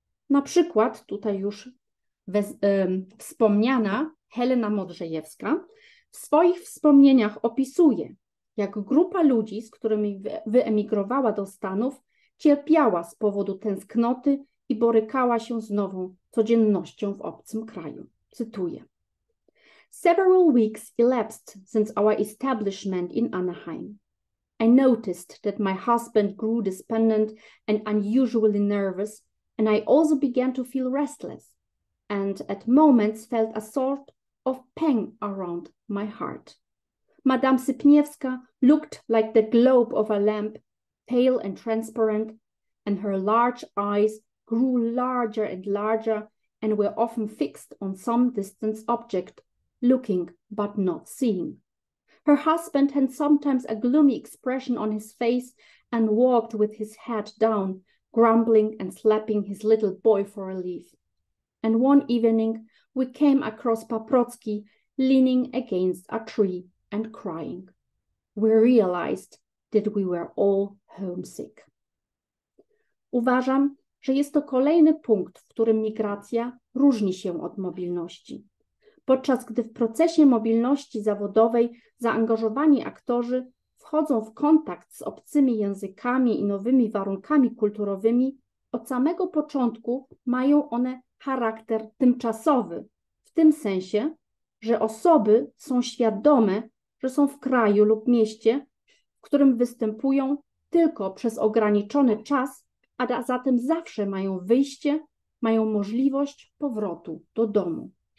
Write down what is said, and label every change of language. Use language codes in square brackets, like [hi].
[pl] Na przykład tutaj już wspomniana Helena Modrzejewska w swoich wspomnieniach opisuje, jak grupa ludzi, z którymi wyemigrowała do Stanów, cierpiała z powodu tęsknoty i borykała się z nową codziennością w obcym kraju. Cytuję. [en] Several weeks elapsed since our establishment in Anaheim. I noticed that my husband grew despondent and unusually nervous, and I also began to feel restless, and at moments felt a sort of pang around my heart. Madame Sipniewska looked like the globe of a lamp, pale and transparent, and her large eyes grew larger and larger and were often fixed on some distant object, looking but not seeing. Her husband had sometimes a gloomy expression on his face and walked with his head down, grumbling and slapping his little boy for a leaf. And one evening we came across Paprocki leaning against a tree and crying. We realized that we were all homesick. [pl] Uważam, że jest to kolejny punkt, w którym migracja różni się od mobilności. Podczas gdy w procesie mobilności zawodowej zaangażowani aktorzy wchodzą w kontakt z obcymi językami i nowymi warunkami kulturowymi, od samego początku mają one charakter tymczasowy, w tym sensie, że osoby są świadome, że są w kraju lub mieście, w którym występują tylko przez ograniczony czas, a zatem zawsze mają wyjście, mają możliwość powrotu do domu.